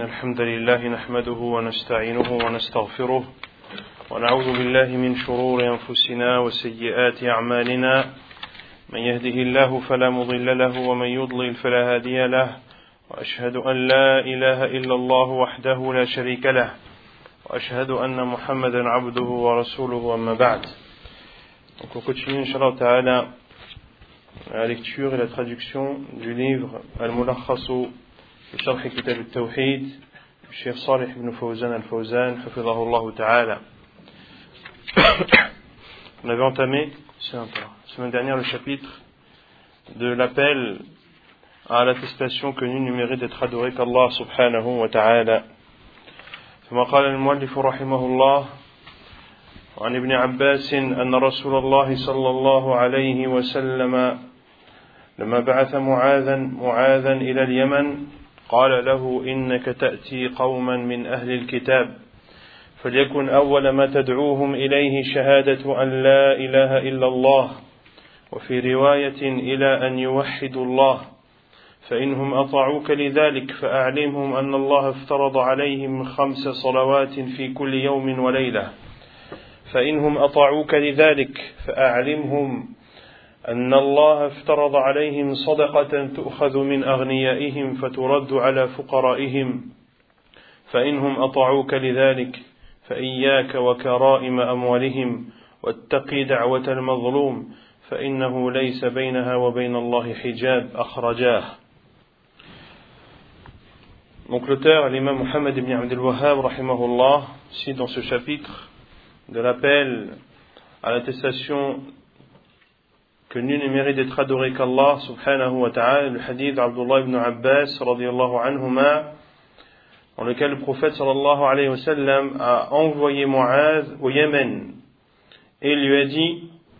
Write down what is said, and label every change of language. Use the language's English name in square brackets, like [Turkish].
[Arabic] الحمد لله نحمده ونستعينه ونستغفره ونعوذ بالله من شرور أنفسنا وسيئات أعمالنا، من يهده الله فلا مضل له ومن يضلل فلا هادي له، وأشهد أن لا إله إلا الله وحده لا شريك له، وأشهد أن محمدا عبده ورسوله. أما بعد، [French] donc on continue inshallah ta'ala la lecture et la traduction du livre Al-Mulakhasu [Arabic] شرح كتاب التوحيد الشيخ صالح بن فوزان الفوزان حفظه الله تعالى. [French] On avait entamé la semaine dernière le chapitre de l'appel à l'attestation que nul ne mérite d'être adoré qu'Allah subhanahu wa ta'ala. [Arabic] ثم قال المؤلف رحمه الله عن ابن عباس أن رسول الله صلى الله عليه وسلم لما بعث معاذا إلى اليمن قال له إنك تأتي قوما من أهل الكتاب فليكن أول ما تدعوهم إليه شهادة أن لا إله إلا الله، وفي رواية إلى أن يوحدوا الله، فإنهم أطاعوك لذلك فأعلمهم أن الله افترض عليهم 5 صلوات في كل يوم وليلة، فإنهم أطاعوك لذلك فأعلمهم أن الله افترض عليهم صدقة تؤخذ من أغنيائهم فترد على فقرائهم، فإنهم أطاعوك لذلك فإياك وكرائم أموالهم، واتقي دعوة المظلوم فإنه ليس بينها وبين الله حجاب، أخرجاه. [French] Donc l'auteur, l'imam Mohammed ibn Abd al-Wahhab, rahimahullah, cite dans ce chapitre de l'appel à l'attestation que nul ne mérite d'être adoré qu'Allah subhanahu wa ta'ala, le hadith d'Abdullah ibn Abbas radiyallahu anhuma, dans lequel le prophète sallallahu alayhi wa sallam a envoyé Mu'adh au Yémen et lui a dit: